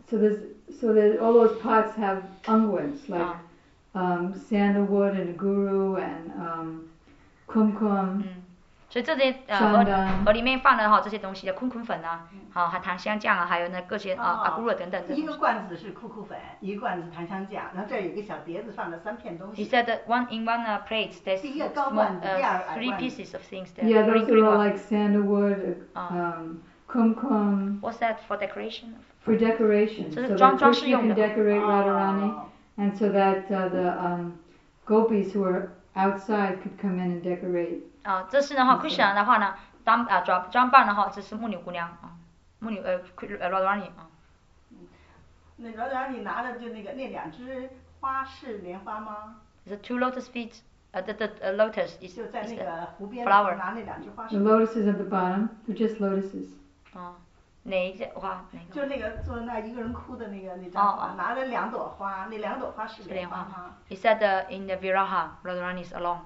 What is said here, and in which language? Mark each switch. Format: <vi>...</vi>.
<en>So there's all those pots have unguents like, sandalwood and guru and kumkum.</en> <zh>嗯，所以这些和里面放的哈这些东西的kumkum粉啊，好、啊，还檀香酱啊，还有那各些阿古鲁等等的。一个罐子是kumkum粉，一个罐子檀香酱，然后这儿有个小碟子放了三片东西。</zh> <en>He said that one in one plate, there's three pieces of things there. Yeah, those are all like sandalwood, kumkum. What's that for decoration? For decoration, so that Krishna can decorate Radharani, and so that the gopis who are outside could come in and decorate.</en> <zh>啊，这是呢哈 ，Krishna 的话呢，装扮的话，这是牧牛姑娘啊，牧牛Radharani 啊。那 Radharani 拿的就那两只。花是莲花吗</zh> <en>？The two lotus feet, the lotus is flower.</en> <zh>就在那个湖边拿那两只花。</zh> <en>The lotuses at the bottom, they're just lotuses.</en> <zh>啊，哪一些花？哪个？就那个做那一个人哭的那个那张画，拿了两朵花，那两朵花是莲花吗？</zh> <en>He said in the Viraha, Radharani is alone.</en>